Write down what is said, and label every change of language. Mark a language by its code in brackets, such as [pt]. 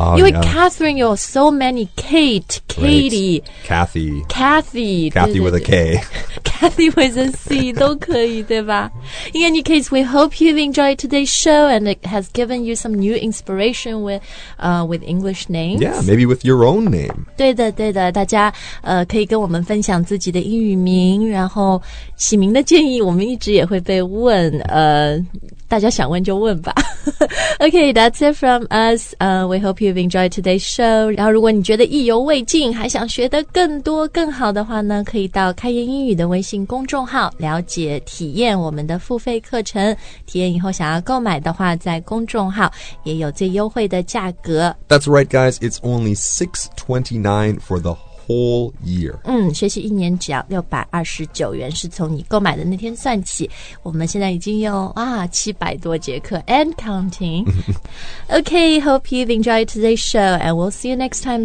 [zh] 因为 Catherine 有 [en] so many [zh] Kate, Katie, [en] Kathy, Kathy, Kathy with a K, Kathy with a C [zh] 都可以，对吧？ [en] In any case, we hope you've enjoyed today's show and it has given you some new inspiration with English names. Yeah, maybe with your own name. [zh] 对的，对的，大家可以跟我们分享自己的英语名，然后起名的建议我们一直也会被问，大家想问就问吧。 [en] Okay, that's it from us. We hope you've enjoyed today's show. [zh] 然后如果你觉得意犹未尽，还想学得更多更好的话呢，可以到开言英语的微信公众号了解体验我们的付费课程。体验以后想要购买的话，在公众号也有最优惠的价格。 [en] That's right, guys. It's only $6.29 for the whole year. [zh] 学习一年只要629元，是从你购买的那天算起。我们现在已经有700多节课 [en] and counting. Okay, hope you've enjoyed today's show, and we'll see you next time.